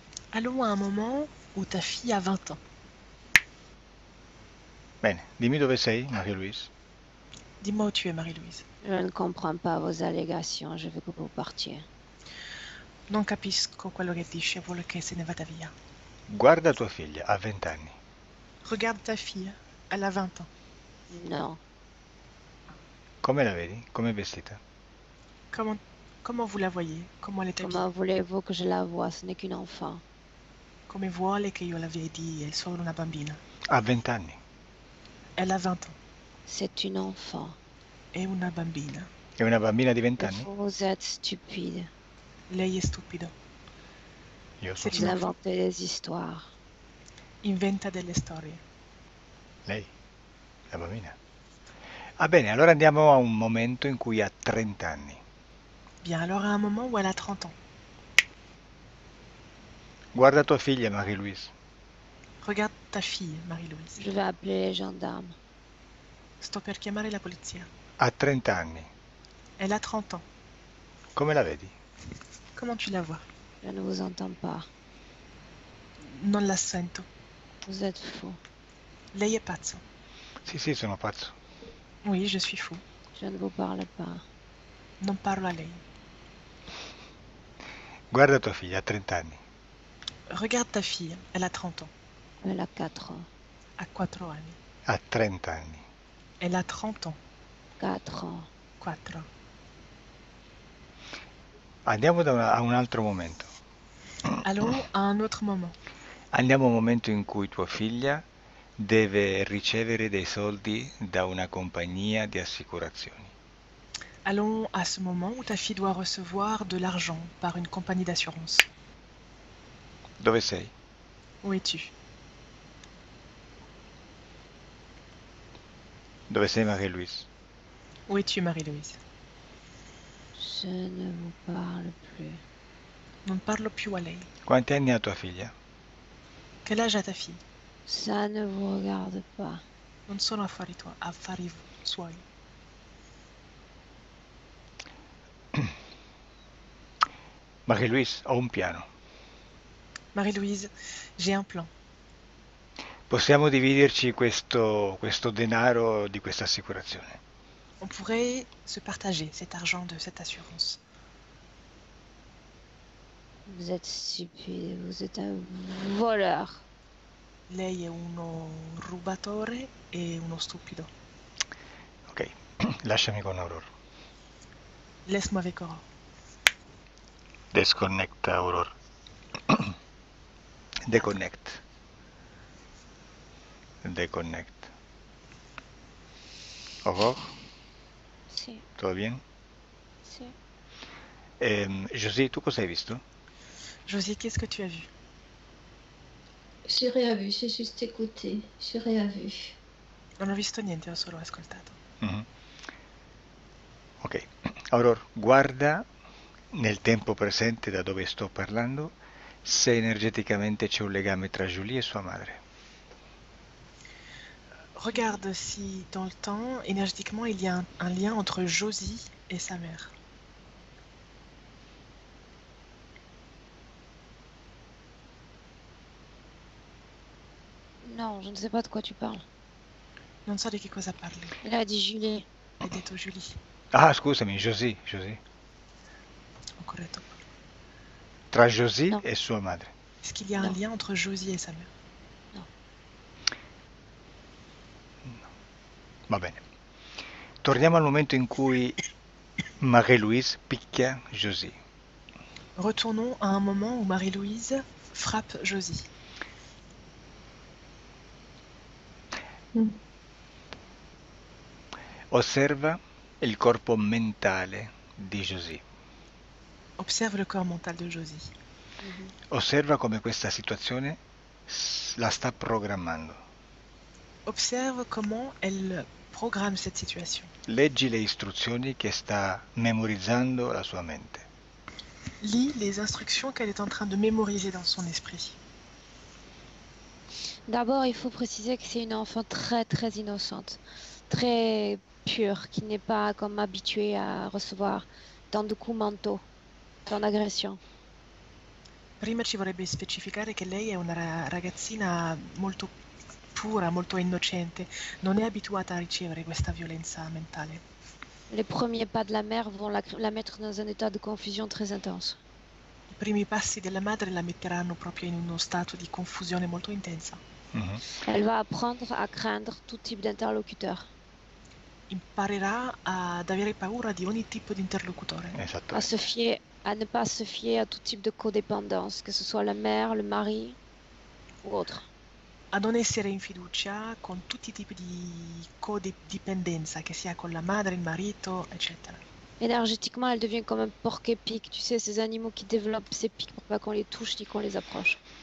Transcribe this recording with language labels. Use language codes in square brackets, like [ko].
[fr] Allons à un moment où ta fille a 20 ans. [it] Bene, dimmi dove sei, Marie-Louise. [fr] Dis-moi où tu es, Marie-Louise. Je ne comprends pas vos allégations, je veux que vous partiez. [it] Non capisco quello che dice, vuole che se ne vada via. Guarda tua figlia, ha 20 anni. [fr] Regarde ta fille, elle a 20 ans. Non. [it] Come la vedi? Come è vestita? [fr] Comment vous la voyez? Comment elle est habillée? Comment voulez-vous que je la voie? Ce n'est qu'une enfant. [it] Come vuole che io la vedi? È solo una bambina. Ha 20 anni. [fr] Elle a 20 ans. C'est une enfant. [it] È una bambina. È una bambina di 20 anni? [fr] Vous êtes stupide. [it] Lei è stupido. Io sono stupido. Inventa delle storie. Inventa delle storie. Lei? La bambina? Ah bene, allora andiamo a un momento in cui ha 30 anni. Bien, allora a un momento in cui ha 30 anni. Guarda tua figlia, Marie-Louise. [fr] Regarde ta fille, Marie-Louise. Je vais appeler les gendarmes. [it] Sto per chiamare la polizia. Ha 30 anni. [fr] Elle a 30 ans. [it] Come la vedi? [fr] Comment tu la vois? Je ne vous entends pas. [it] Non la sento. [fr] Vous êtes fou. [it] Lei è pazzo. Sì, sono pazzo. [fr] Oui, je suis fou. Je ne vous parle pas. [it] Non parlo a lei. Guarda tua figlia, ha 30 anni. [fr] Regarde ta fille, elle a 30 ans. Elle a 4 ans. [it] A 4 anni. Ha 30 anni. [fr] Elle a 30 ans. 4 ans. 4 ans. [it] Andiamo a un altro momento. [fr] Allons à un autre moment. [it] Andiamo a un momento in cui tua figlia deve ricevere dei soldi da una compagnia di assicurazioni. [fr] Allons à ce moment où ta fille doit recevoir de l'argent par une compagnie d'assurance. [it] Dove sei? [fr] Où es-tu? [it] Dove sei, Marie-Louise? [fr] Où es-tu, Marie-Louise? Je ne vous parle plus. [it] Non parlo più a lei. Quanti anni ha tua figlia? [fr] Quel âge a ta fille? Ça ne vous regarde pas. [it] Non sono affari tuoi, affari suoi. Marie-Louise, ho un piano. [fr] Marie-Louise, j'ai un plan. [it] Possiamo dividerci questo denaro di questa assicurazione? [fr] On pourrait se partager cet argent de cette assurance. Vous êtes stupide, vous êtes un voleur. [it] Lei è uno rubatore e uno stupido. Ok. Lasciami con Aurora. [fr] Laisse-moi avec Aurore. [en] Disconnect Aurora. Deconnect. Deconnect. [fr] Aurore? [it] Sì. Tutto bene? Sì. José, tu cosa hai visto? [fr] Josie, qu'est-ce que tu as vu? J'ai rien vu, j'ai juste écouté. J'ai rien vu. [it] Non ho visto niente, ho solo ascoltato. Aurora, guarda nel tempo presente da dove sto parlando se energeticamente c'è un legame tra Julie e sua madre. [fr] Regarde si dans le temps, énergiquement, il y a un lien entre Josie et sa mère. Non, je ne sais pas de quoi tu parles. [it] Non so di che cosa parli. Là, di Julie. Hai detto Julie. Ah, scusami, Josie, Josie. Ho corretto. Tra Josie e sua madre. [fr] Est-ce qu'il y a un lien entre Josie e sa mère? [it] Va bene. Torniamo al momento in cui Marie-Louise picchia Josie. [fr] Retournons à un moment où Marie-Louise frappe Josie. [it] Osserva il corpo mentale di Josie. [fr] Observe le corps mental de Josie. [it] Osserva come questa situazione la sta programmando. [fr] Observe comment elle programme cette situation. [it] Leggi le istruzioni che sta memorizzando la sua mente. [fr] Lis les instructions qu'elle est en train de mémoriser dans son esprit. D'abord, il faut préciser que c'est une enfant très très innocente, très pure, qui n'est pas comme habituée à recevoir tant de coups mentaux, tant d'agressions. [it] Prima ci vorrebbe specificare che lei è una ragazzina molto pura, molto innocente, non è abituata a ricevere questa violenza mentale. [fr] Les premiers pas de la mère vont la mettre dans un état de confusion très intense. [it] I primi passi della madre la metteranno proprio in uno stato di confusione molto intensa. [fr] Elle va apprendre à craindre tout type d'interlocuteur, [it] Imparerà ad avere paura di ogni tipo di interlocutore. Esattamente. [fr] À ne pas se fier à tout type de codépendance, que ce soit la mère, le mari ou autre. [it] A non essere in fiducia con tutti i tipi di codipendenza, che sia con la madre, il marito, eccetera. [fr] Énergétiquement, elle devient comme un porc-épic, tu sais, ces animaux qui développent ces pics pour pas qu'on les touche ni qu'on les approche.